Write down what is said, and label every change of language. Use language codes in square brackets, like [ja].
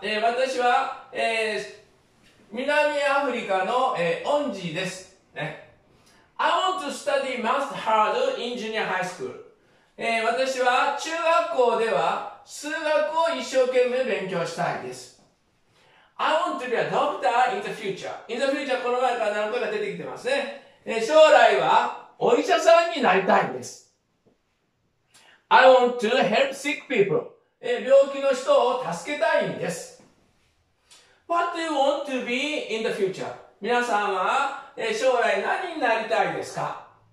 [ja] 私は、南アフリカの、Onji です、ね。 [en] I want to study math hard in junior high school. [ja] 私は中学校では数学を一生懸命勉強したいです。 [en] I want to be a doctor in the future. In the future, [ja] この前から何個か出てきてますね。将来は、お医者さんになりたいんです。 [en] I want to help sick people. [ja] 病気の人を助けたいんです。 [en] What do you want to be in the future? [ja] 皆さんは、将来何になりたいですか？